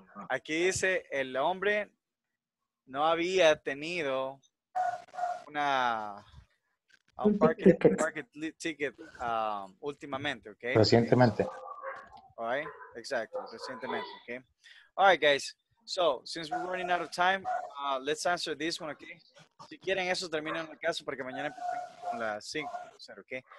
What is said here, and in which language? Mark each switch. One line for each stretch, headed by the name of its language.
Spanish: Aquí dice el hombre no había tenido un parking ticket últimamente, okay? Recientemente.
English: All right, exactly, recientemente, okay? All right, guys. So, since we're running out of time, let's answer this one, okay?
Spanish: Si quieren eso, terminen el caso porque mañana con la 5, okay?